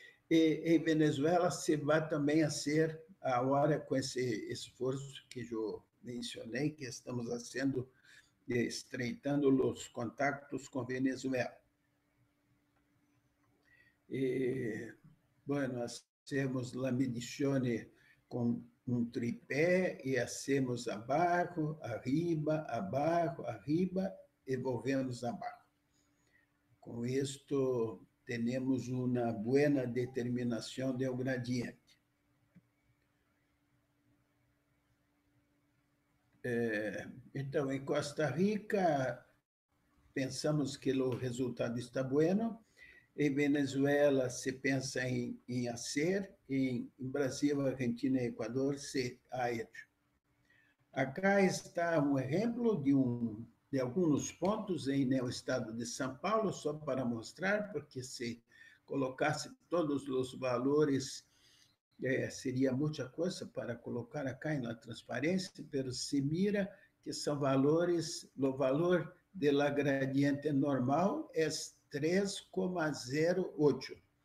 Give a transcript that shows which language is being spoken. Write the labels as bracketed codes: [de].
[pt] E em Venezuela se vai também a ser agora com esse esforço que eu mencionei, que estamos fazendo, estreitando os contatos com Venezuela. [es] E, bueno, hacemos la medición con un tripé y hacemos abajo, arriba, abajo, arriba y volvemos abajo. Con esto tenemos una buena determinación del gradiente. Entonces, en Costa Rica pensamos que el resultado está bueno. [pt] Em Venezuela se pensa em fazer, em Brasil, Argentina e Equador [es] se ha hecho. [pt] Acá está um exemplo de alguns pontos no estado de São Paulo, só para mostrar, porque se colocasse todos os valores, seria muita coisa para colocar acá na transparência, mas se mira que são valores, o valor de la gradiente normal é 3,08.